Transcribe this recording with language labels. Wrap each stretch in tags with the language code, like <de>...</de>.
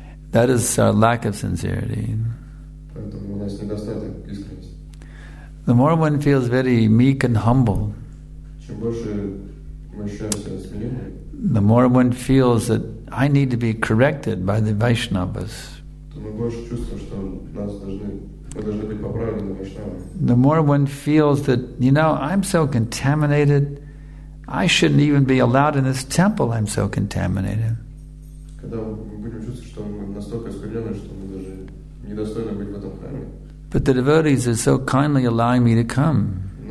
<en>That is our lack of sincerity. The more one feels very meek and humble, the more one feels that I need to be corrected by the Vaishnavas, the more one feels that, you know, I'm so contaminated, I shouldn't even be allowed in this temple, I'm so contaminated.</en> <ru>Когда мы будем чувствовать, что мы настолько оскорблены, что мы даже недостойны быть в этом храме.</ru> <en>But the devotees are so kindly allowing me to come.</en>